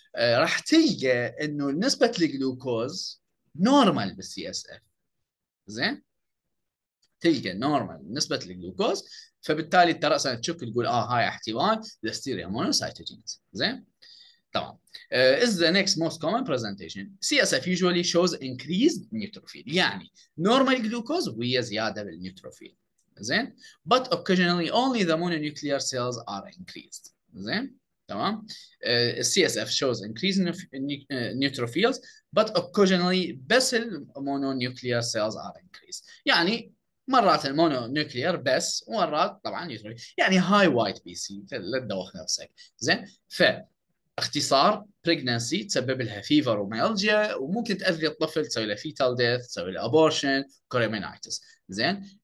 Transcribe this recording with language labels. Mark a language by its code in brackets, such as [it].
[ar] راح تلقى انه نسبه الجلوكوز نورمال بالسي اس اف زين، تلقى نورمال نسبه الجلوكوز، فبالتالي انت راسا تشك تقول هاي احتمال الاستيريا مونوسايتوجينز زين. تمام. [en] is the next most common presentation. CSF usually shows increased neutrophil، يعني normal glucose [ar] ويا زيادة بالنيوتروفيل زين. [en] but occasionally only the mononuclear cells are increased زين. [ar] تمام. [en] CSF shows increased neutrophils but occasionally [ar] بس المونونيوكليار [en] cells are increased، [ar] يعني مرات المونو نيوكلير بس، ومرات طبعا نيوتروفيل، يعني هاي وايت بي سي، لا تدوخ نفسك زين. ف اختصار بريجننسي تسبب لها فيفر وميالجيا، وممكن تاذي الطفل، تسوي له فيتال ديث، تسوي له ابورشن، كوريمينايتس زين.